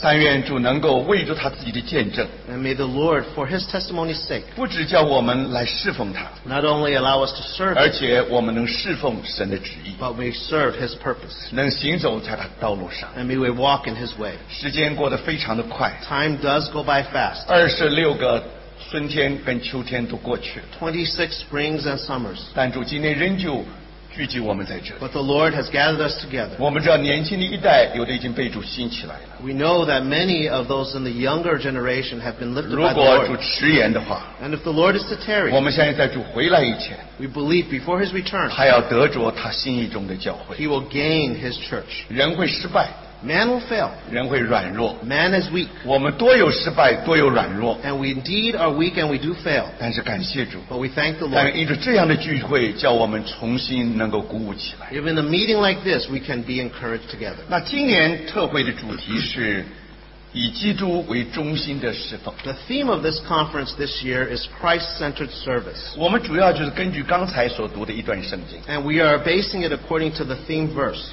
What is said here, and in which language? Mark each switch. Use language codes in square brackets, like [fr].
[zh] 但愿主能够为着他自己的见证, [en] and may the Lord, for His testimony's sake, [zh] 不只叫我们来侍奉他, [en] not only allow us to serve, [zh] 而且我们能侍奉神的旨意, [en] but may serve His purpose, [zh] 能行走在他的道路上, [en] and may we walk in His way. [zh] 时间过得非常, [en] time does go by fast. [zh] 26个春天跟秋天都过去了, [en] 26 springs and summers. [zh] 但主今天仍旧聚集我们在这里, [en] but the Lord has gathered us together. [zh] 我们知道年轻的一代有的已经被主兴起来了, [en] we know that many of those in the younger generation have been lifted by the Lord. [zh] 如果主迟延的话, [en] and if the Lord is to tarry, [zh] 我们相信在主回来以前, [en] we believe before His return, [zh] 他要得着他心意中的教会, [en] He will gain His church. [zh] 人会失败, [en] man will fail. [zh] 人会软弱, [en] man is weak. [zh] 我们多有失败, 多有软弱, [en] and we indeed are weak and we do fail. [zh] 但是感谢主, [en] but we thank the Lord. [zh] 但因着这样的聚会, 叫我们重新能够鼓舞起来, [en] even in a meeting like this, we can be encouraged together. [zh] 那今年特会的主题是, 以基督为中心的侍奉, [en] the theme of this conference this year is Christ-centered service. [zh] 我们主要就是根据刚才所读的一段圣经, [en] and we are basing it according to the theme verse.